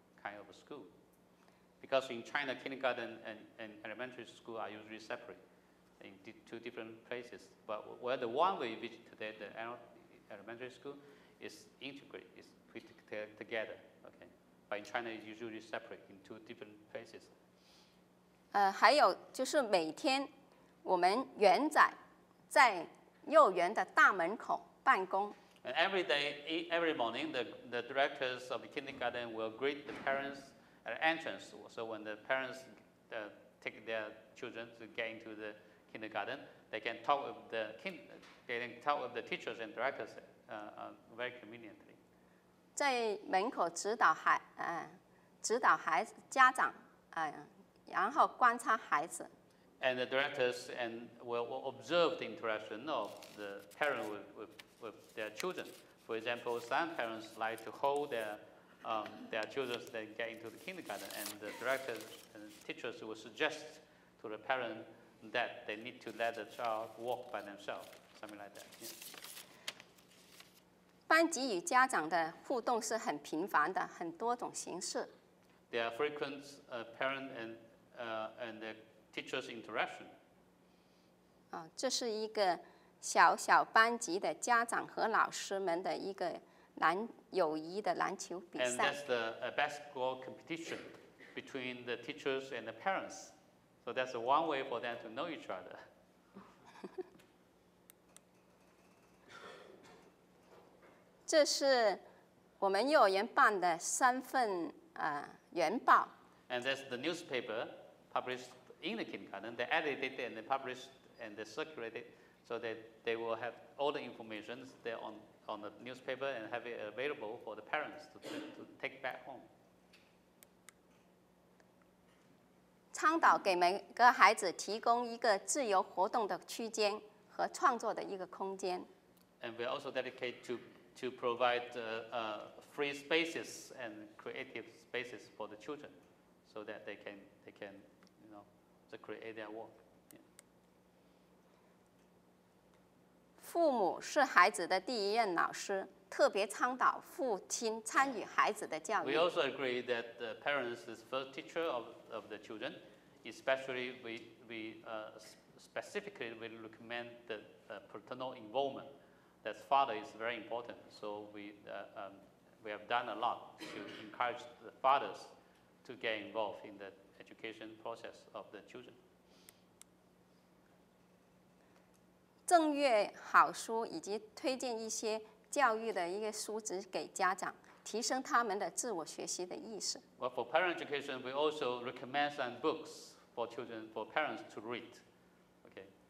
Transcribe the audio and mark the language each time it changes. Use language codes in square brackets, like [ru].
[en] Kind of a school, because in China, kindergarten and elementary school are usually separate in two different places. But where the one we visit today, the elementary school, is integrated, is put together. Okay, but in China, it's usually separate in two different places. [zh] 还有就是每天我们园长在幼儿园的大门口办公。 [en] And every day, every morning, the directors of the kindergarten will greet the parents at the entrance. So when the parents take their children to get into the kindergarten, they can talk with the teachers and directors very conveniently. [zh] 在门口指导孩子家长，然后观察孩子。 [en] And the directors and will observe the interaction of the parent with their children. For example, some parents like to hold their children as they get into the kindergarten, and the directors and teachers will suggest to the parent that they need to let the child walk by themselves, something like that. Yeah. [zh] 班级与家长的互动是很频繁的，很多种形式。 [en] There are frequent parent and the teachers interaction. [zh] 这是一个小小班级的家长和老师们的一个友谊的篮球比赛。 [en] And that's the basketball competition between the teachers and the parents. So that's one way for them to know each other. [zh] 这是我们幼儿园办的三份园报。 [en] And that's the newspaper published in the kindergarten. They edited and they published and they circulated. So that they will have all the information there on the newspaper and have it available for the parents to take back home. [zh] 倡导给每个孩子提供一个自由活动的区间和创作的一个空间。 [en] And we also dedicate to provide free spaces and creative spaces for the children, so that they can you know to create their work. [zh] 父母是孩子的第一任老师，特别倡导父亲参与孩子的教育。 [en] We also agree that the parents is first teacher of the children, especially we recommend the paternal involvement. That father is very important. So we have done a lot to encourage the fathers to get involved in the education process of the children. [zh] 赠阅好书以及推荐一些教育的一个书籍给家长，提升他们的自我学习的意识。 [en] Well, for parent education, we also recommend some books for children, for parents to read. Okay.